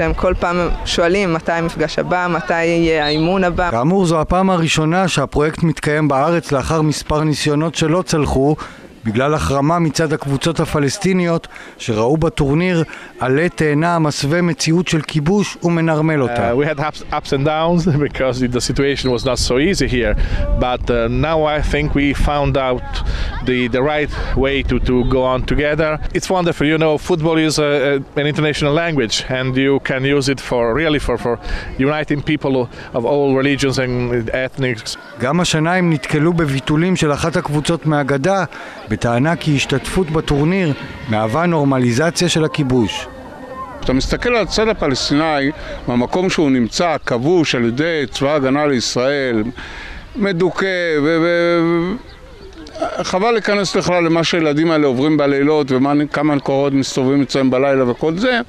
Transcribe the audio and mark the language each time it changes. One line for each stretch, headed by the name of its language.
Hebrew: הם כל פעם שואלים מתי המפגש הבא, מתי יהיה האימון הבא. כאמור, זו הפעם הראשונה שהפרויקט מתקיים בארץ לאחר מספר ניסיונות שלא צלחו, בגלל החרמה מצד הקבוצות הפלסטיניות שראו בטורניר עלי תאנה מסווה מציאות של כיבוש ומנרמל אותה.
English: We had ups and downs because the situation was not so easy here, but now I think we found out the right way to go on together. It's wonderful, you know, football is an international language and you can use it for uniting people of all religions and ethnics.
Hebrew: גם השנה הם נתקלו בביטולים של אחת הקבוצות מהגדה בטענה כי השתתפות בטורניר מהווה נורמליזציה של הכיבוש. אתה מסתכל על הצד הפלסטיני, במקום שהוא נמצא, כבוש על ידי צבא הגנה לישראל, מדוכא, חבל להיכנס לכלל למה שילדים האלה עוברים בלילות, וכמה קורות מסתובבים אצלם בלילה וכל זה.